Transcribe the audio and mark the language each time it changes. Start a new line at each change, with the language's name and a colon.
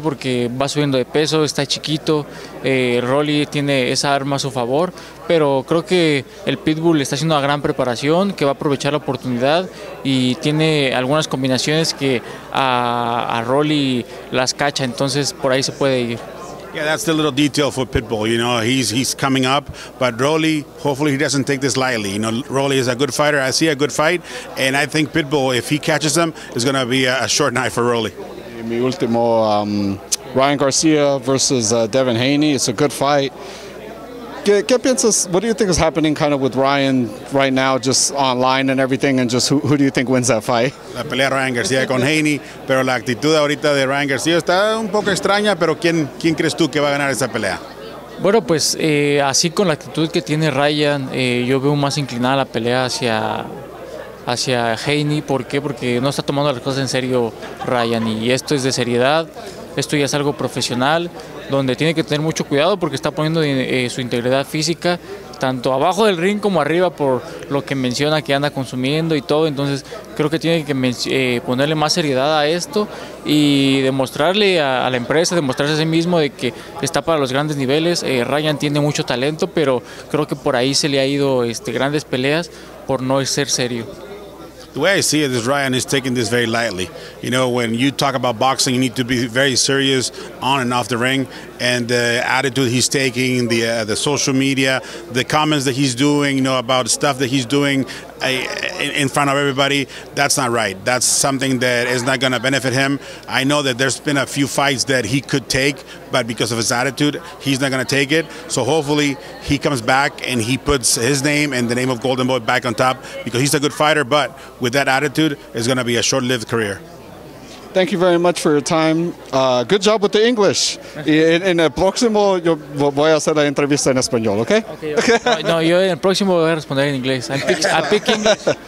Spanish: Porque va subiendo de peso, está chiquito, Rolly tiene esa arma a su favor, pero creo que el Pitbull está haciendo una gran preparación, que va a aprovechar la oportunidad y tiene algunas combinaciones que a Rolly las cacha, entonces por ahí se puede ir.
English: Yeah, that's the little detail for Pitbull. You know, he's coming up, but Rolly, hopefully he doesn't take this lightly. You know, Rolly is a good fighter. I see a good fight, and I think Pitbull, if he catches him, is going to be a short night for Rolly.
Spanish: Mi último,
English: Ryan Garcia versus Devin Haney. It's a good fight.
Spanish: ¿Qué piensas?
English: What do you think is happening kind of with Ryan right now, just online and everything, and just who do you think wins that fight?
Spanish: La pelea Ryan García con Haney, pero la actitud ahorita de Ryan García está un poco extraña, pero ¿quién crees tú que va a ganar esa pelea? Bueno, pues así con la actitud que tiene Ryan, yo veo más inclinada la pelea hacia Haney. ¿Por qué? Porque no está tomando las cosas en serio Ryan, y esto es de seriedad, esto ya es algo profesional, donde tiene que tener mucho cuidado porque está poniendo su integridad física, tanto abajo del ring como arriba, por lo que menciona que anda consumiendo y todo. Entonces creo que tiene que ponerle más seriedad a esto y demostrarle a la empresa, demostrarse a sí mismo de que está para los grandes niveles. Ryan tiene mucho talento, pero creo que por ahí se le ha ido grandes peleas por no ser serio.
English: The way I see it is Ryan is taking this very lightly. You know, when you talk about boxing, you need to be very serious on and off the ring. And the attitude he's taking, the social media, the comments that he's doing, you know, about stuff that he's doing in front of everybody, that's not right. That's something that is not going to benefit him. I know that there's been a few fights that he could take, but because of his attitude, he's not going to take it. So hopefully he comes back and he puts his name and the name of Golden Boy back on top, because he's a good fighter, but with that attitude, it's going to be a short-lived career. Thank you very much for your time. Good job with the English.
Spanish: En el próximo, yo voy a hacer la entrevista en español, ¿ok?
English: Okay.
Spanish: No, yo en el próximo voy a responder en inglés.
English: I pick English.